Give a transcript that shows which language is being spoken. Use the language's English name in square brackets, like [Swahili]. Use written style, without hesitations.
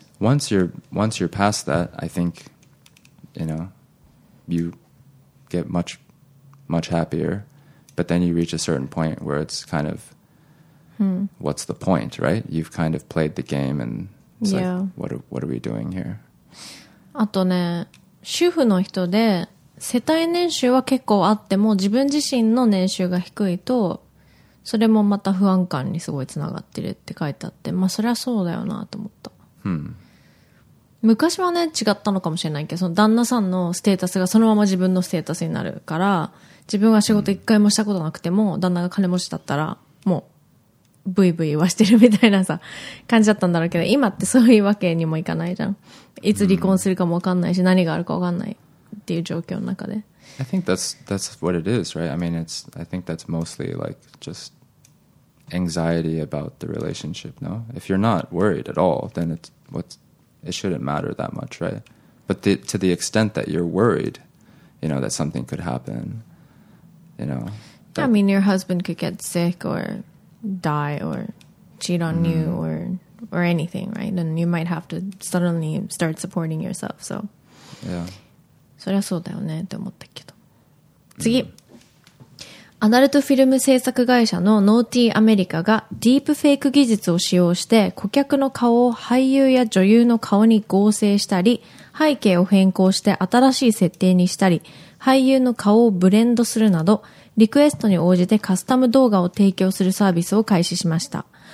[English] Once you're past that, I think, you know, you get much, much happier. But then you reach a certain point where it's kind of, what's the point, right? You've kind of played the game and it's like, what are we doing here? [Japanese] あとね、主婦の人で世帯年収は結構あっても自分自身の年収が低いと、それもまた不安感にすごいつながってるって書いてあって、まあそれはそうだよなと思った。昔はね違ったのかもしれないけど、その旦那さんのステータスがそのまま自分のステータスになるから、自分が仕事一回もしたことなくても、旦那が金持ちだったらもうブイブイはしてるみたいなさ感じだったんだろうけど、今ってそういうわけにもいかないじゃん。いつ離婚するかも分かんないし、何があるか分かんないっていう状況の中で。 [English] I think that's what it is, right? I mean, I think that's mostly like justanxiety about the relationship, no? If you're not worried at all, then it shouldn't matter that much, right? But to the extent that you're worried, you know, that something could happen, you know. I mean, your husband could get sick or die or cheat on you or anything, right? And you might have to suddenly start supporting yourself, so. Yeah. [Japanese] それはそうだよねって思ったけど。次。アダルトフィルム制作会社のノーティーアメリカがディープフェイク技術を使用して顧客の顔を俳優や女優の顔に合成したり、背景を変更して新しい設定にしたり、俳優の顔をブレンドするなど、リクエストに応じてカスタム動画を提供するサービスを開始しました。